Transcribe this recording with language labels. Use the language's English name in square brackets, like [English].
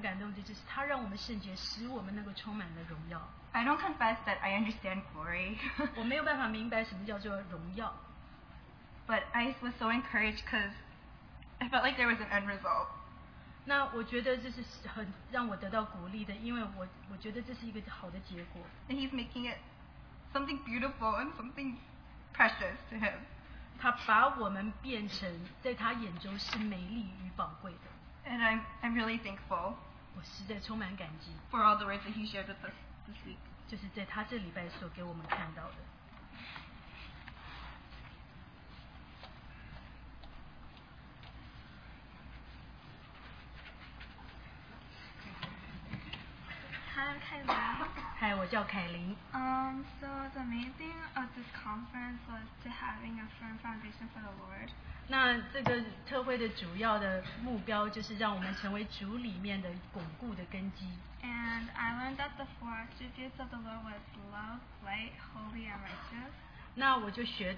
[Chinese] 那另外一件让我觉得很感动的就是，他让我们圣洁，使我们能够充满了荣耀。 [English] I don't confess that I understand glory. [Chinese] 我没有办法明白什么叫做荣耀。 [English] But I was so encouraged because I felt like there was an end result. [Chinese] 那我觉得这是很让我得到鼓励的，因为我觉得这是一个好的结果。 [English] And He's making it something beautiful and something precious to Him. [Chinese] 他把我们变成在他眼中是美丽与宝贵的。 [English] And I'm really thankful [Chinese] 我实在充满感激 [English] for all the words that He shared with us this week. [Chinese] 就是在他这礼拜所给我们看到的。 Hi, 我叫凯琳。 [English] So the main thing of this conference was to having a firm foundation for the Lord. [Chinese] 那这个特会的主要的目标就是让我们成为主里面的巩固的根基。 [English] And I learned that the four attributes of the Lord was love, light, holy, and righteous.